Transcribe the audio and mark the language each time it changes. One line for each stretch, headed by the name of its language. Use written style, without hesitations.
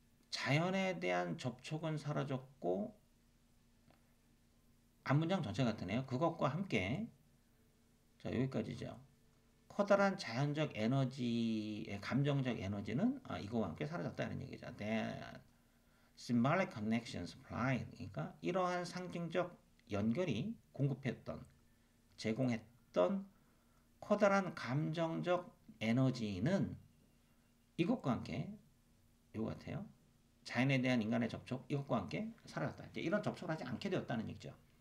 Korean: 자연에 대한 접촉은 사라졌고, 앞문장 전체 같으네요. 그것과 함께. 자, 여기까지죠. 커다란 자연적 에너지의 감정적 에너지는 이거와 함께 사라졌다는 얘기죠.
English: That symbolic connection supplied.
Korean: 그러니까 이러한 상징적 연결이 공급했던, 제공했던 커다란 감정적 에너지는 이것과 함께, 이거 같아요. 자연에 대한 인간의 접촉, 이것과 함께 사라졌다. 이제 이런 접촉을 하지 않게 되었다는 얘기죠.